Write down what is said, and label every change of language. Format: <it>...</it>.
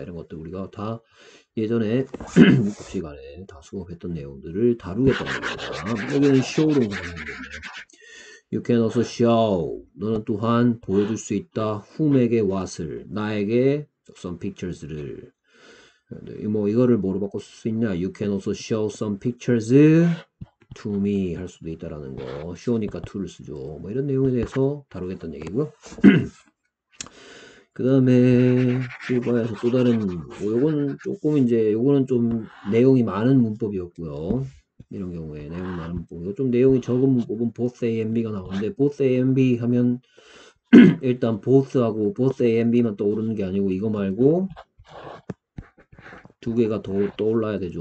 <ko>이런 것들 우리가 다 예전에 시간에 다 수업했던 내용들을 다루겠다는 겁니다. 여기는 show로 사용되네요.</ko> <en>You can also show.</en> <ko>너는 또한 보여줄 수 있다. Whom에게 what을. 나에게 some pictures를. 뭐, 이거를 뭐로 바꿀 수 있냐.</ko> <en>You can also show some pictures to me.</en> <ko>할 수도 있다라는 거. show니까 to를 쓰죠. 뭐, 이런 내용에 대해서 다루겠다는 얘기고요. 그 다음에, 휴가에서 또 다른, 뭐 요거는 조금 이제, 요거는 좀 내용이 많은 문법이었고요. 이런 경우에 내용이 많은 문법이고 좀 내용이 적은 문법은 both A and B가 나오는데 both A and B 하면 일단 both하고 both A and B만 떠오르는 게 아니고 이거 말고 두 개가 더 떠올라야 되죠.</ko>